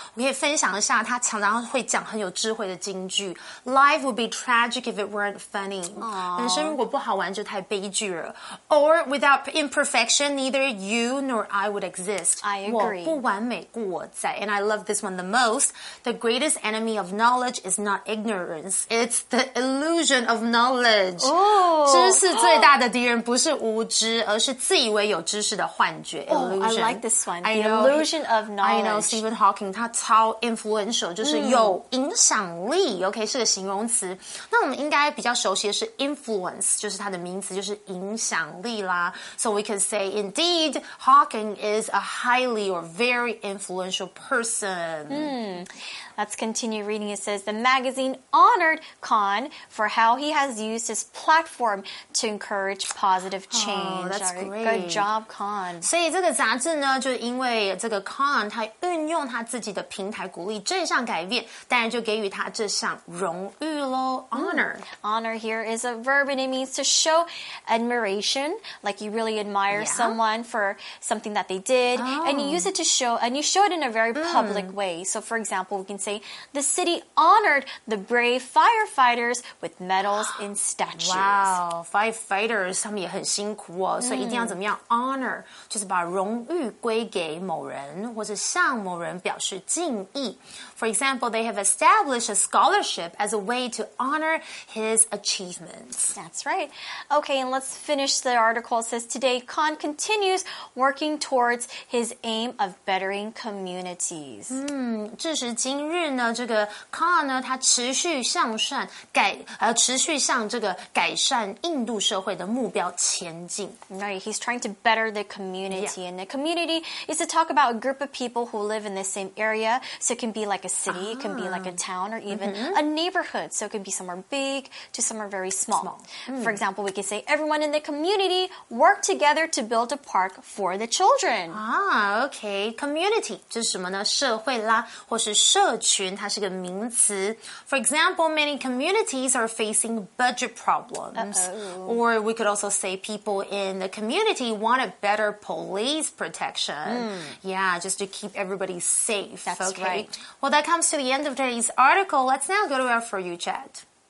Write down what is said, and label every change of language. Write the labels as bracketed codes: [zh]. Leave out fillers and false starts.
[zh] 我可以分享一下他常常会讲很有智慧的金句。 [en] Life would be tragic if it weren't funny. [zh] 人生如果不好玩就太悲剧了。 [en] Or without imperfection, neither you nor I would exist. I agree. [zh] 我不完美故我在。 [en] And I love this one the most. The greatest enemy of knowledge is not ignorance. It's the illusion of knowledge. [zh] 知识最大的敌人不是无知而是自以为有知识的幻觉 illusion. [en] I like this one. The illusion of knowledge. I know Stephen Hawking, [zh] 他超 influential, 就是有影响力 OK, 是个形容词。那我们应该比较熟悉的是 influence, 就是他的名词就是影响力啦。 [en] So we can say, indeed, Hawking is a highly or very influential person. Let's continue reading. It says, the magazine honored Khan for how he has used his platform to encourage positive change. Oh, that's great. Good job, Khan. [zh] 所以这个杂志呢，就因为这个 Khan 他运用他自己的平台鼓励正向改变，当然就给予他这项荣誉咯 Honor. [en] Honor here is a verb and it means to show admiration, like you really admire、yeah. someone for something that they did,、oh. and you use it to show, and you show it in a very public、way. So for example, we can say, the city honored the brave firefighters with medals and statues. Wow, firefighters, [zh] 他们也很辛苦哦、所以一定要怎么样 honor, 就是把荣誉归给某人或是向某人表示敬意。 [en] For example, they have established a scholarship as a way to honor his achievements. That's right. Okay, and let's finish the article. It says, today, Khan continues working towards his aim of bettering communities. [zh] 至时今日呢，这个 Khan 呢，他持续向善改，持续向这个改善印度社会的目标前进。 [en] Right, he's trying to better the community. Yeah. And the community is to talk about a group of people who live in the same area. So it can be like a city, it can be like a town, or even a neighborhood. So it can be somewhere big to somewhere very small. For example, we could say everyone in the community work together to build a park for the children. [zh] Ah, okay. Community 这是什么呢？社会啦，或是社群，它是个名词。 [en] For example, many communities are facing budget problems. Or we could also say people in the community want a better police protection. Yeah, just to keep everybody safe. That's right. Well, that comes to the end of today's article. Let's now go to our For You Chat.